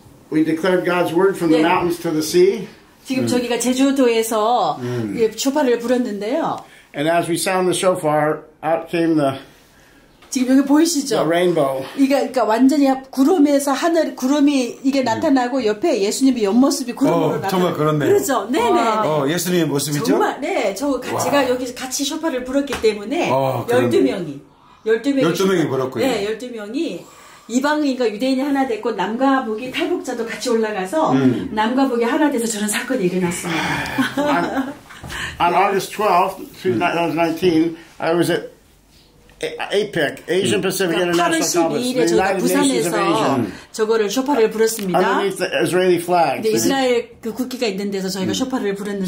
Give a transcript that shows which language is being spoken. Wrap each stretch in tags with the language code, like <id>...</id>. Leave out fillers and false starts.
<en>We declared God's word from the mountains to the sea.</en> <ko>지금 저기가 제주도에서 쇼파를 불었는데요.</ko> <en>And as we sound the shofar, out came the</en> <ko>지금 여기 보이시죠?</ko> <en>The rainbow.</en> <ko>그러니까 완전히 구름에서 하늘 구름이 이게 나타나고 옆에 예수님의 옆모습이 구름으로 나타나. 정말 그렇네. 그렇죠. 네네. 예수님의 모습이죠? 정말 네. 저 와. 제가 여기 같이 쇼파를 불었기 때문에 12명이 불었고요. 네, 12명이 이방인과 유대인이 하나 됐고 남과 북이 탈북자도 같이 올라가서 남과 북이 하나 돼서 저런 사건이 일어났습니다.</ko> <en>On August 12th, 2019, I was at APEC, Asian Pacific International Conference.</en> <ko>8월 12일에 저희가 부산에서 저거를 쇼파를 불었습니다.</ko> <en>Underneath the Israeli flag.</en> <ko>네, 이스라엘 그 국기가 있는 데서 저희가 쇼파를 불었는데요.</ko>